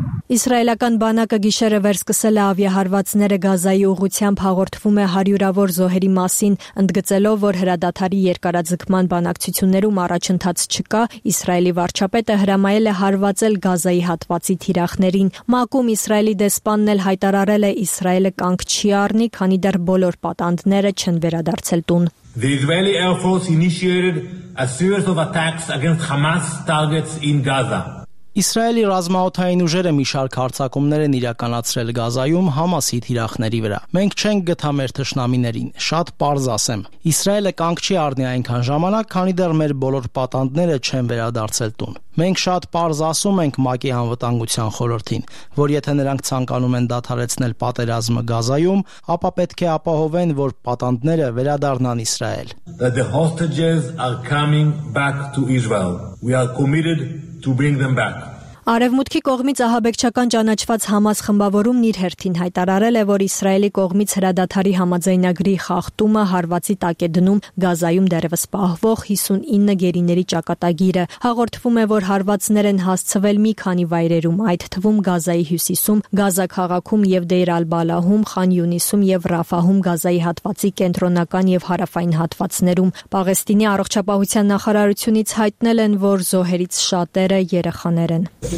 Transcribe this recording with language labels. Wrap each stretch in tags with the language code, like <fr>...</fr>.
<hy>Իսրայելական բանակը գիշերը վերսկսել է ավիահարվածները Գազայի ուղությամբ, հաղորդվում է հարյուրավոր զոհերի մասին, ընդգծելով, որ հրադադարի երկարաձգման բանակցություններում առաջընթաց չկա։ Իսրայելի վարչապետը հրամայել է հարվածել Գազայի հատվածի թիրախներին։ Մակում իսրայելի դեսպանն էլ հայտարարել է, Իսրայելը կանգ չի առնի, քանի դեռ բոլոր պատանդները չեն վերադարձել տուն։</hy> <en>The Israeli Air Force initiated a series of attacks against Hamas targets in Gaza.</en> <hy>Իսրայելի ռազմաօդային ուժերը մի շարք հարձակումներ են իրականացրել Գազայում Համասի թիրախների վրա։ Մենք չենք գտա մեր թշնամիներին, շատ պարզ ասեմ։ Իսրայելը կանգ չի առնի այնքան ժամանակ, քանի դեռ մեր բոլոր պատանդները չեն վերադարձել տուն։ Մենք շատ պարզ ասում ենք ՄԱԿ-ի անվտանգության խորհրդին, որ եթե նրանք ցանկանում են դադարեցնել պատերազմը Գազայում, ապա պետք է ապահովեն, որ պատանդները վերադառնան Իսրայել։</hy> <en>The hostages are coming back to Israel. We are committed to bring them back.</en> <hy>Արևմուտքի կողմից ահաբեկչական ճանաչված Համաս խմբավորումն իր հերթին հայտարարել է, որ Իսրայելի կողմից հրադադարի համաձայնագրի խախտումը հարվածի տակ է դնում Գազայում դեռևս պահվող 59 գերիների ճակատագիրը։ Հաղորդվում է, որ հարվածներ են հասցվել մի քանի վայրերում, այդ թվում Գազայի հյուսիսում, Գազա քաղաքում և Դեյր ալ-Բալահում, Խան Յունիսում և Ռաֆահում, Գազայի հատվածի կենտրոնական և հարավային հատվածներում։ Պաղեստինի առողջապահության նախարարությունից հայտնել են, որ զոհերից շատերը երեխաներ են։</hy>